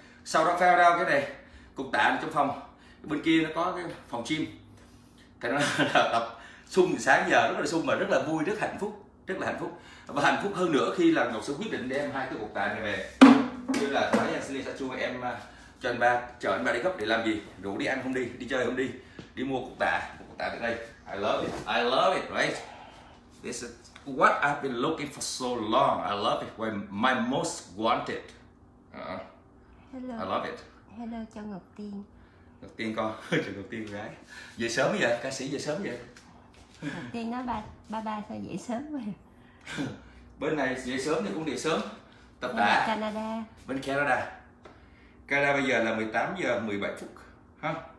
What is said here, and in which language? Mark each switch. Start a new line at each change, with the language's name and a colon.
Vietnamese: Sau đó phao ra cái này cục tạ trong phòng, bên kia nó có cái phòng gym, cái nó là tập sung sáng giờ, rất là sung mà rất là vui, rất hạnh phúc, rất là hạnh phúc. Và hạnh phúc hơn nữa khi là Ngọc Sơn quyết định đem hai cái cục tạ này về, như là thái anh Silly Sachu, em cho anh ba, chở anh ba đi gấp để làm gì, rủ đi ăn không đi, đi chơi không đi, đi mua cục tạ, một cục tạ từ đây.
English: I love it, right? This is what I've been looking for so long. I love it, when my most wanted. Hello. I love it.
Vietnamese: Hello cho Ngọc Tiên. Ngọc Tiên con, chào Ngọc Tiên gái. Về sớm vậy, ca sĩ về sớm vậy. Ngọc Tiên nói ba sao dậy sớm vậy. Bên này dậy sớm thì cũng dậy sớm. Tập đã. Canada. Bên Canada. Canada bây giờ là 18 giờ 17 phút. Ha.